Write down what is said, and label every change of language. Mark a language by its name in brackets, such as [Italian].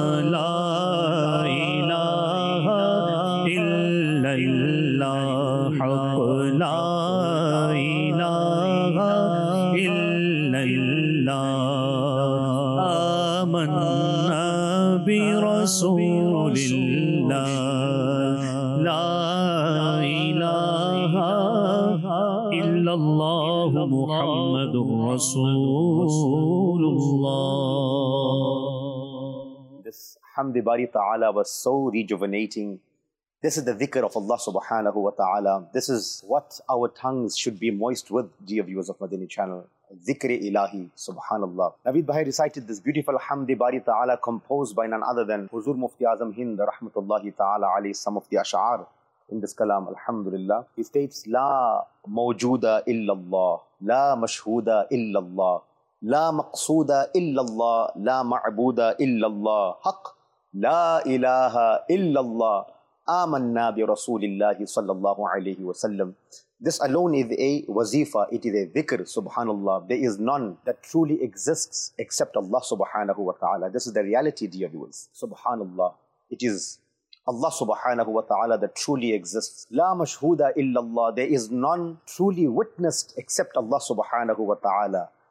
[Arabic] لا الہ الا اللہ حق، لا الہ الا اللہ، آمنا برسول اللہ، لا الہ الا اللہ محمد رسول اللہ. [English] This حمد باری تعالی was so rejuvenating. This is the dhikr of Allah subhanahu wa ta'ala. This is what our tongues should be moist with, dear viewers of Madini channel. Dhikr ilahi, subhanallah. Naveed Bhai recited this beautiful hamd bari ta'ala composed by none other than Huzur Mufti Azam Hind, rahmatullahi ta'ala alayhi, some of the ash'ar in this kalam, alhamdulillah. He states, [Arabic] La mawjuda illallah, la mashhuda illallah, la maqsooda illallah, la ma'booda illallah, haq, لا إله إلا الله آمنا برسول الله صلى الله عليه وسلم. [English] This alone is a wazifa, it is a dhikr, subhanallah. There is none that truly exists except Allah subhanahu wa ta'ala. This is the reality, dear viewers. Subhanallah. It is Allah subhanahu wa ta'ala that truly exists. [Arabic] La mashhuda illallah. [English] There is none truly witnessed except Allah subhanahu wa ta'ala.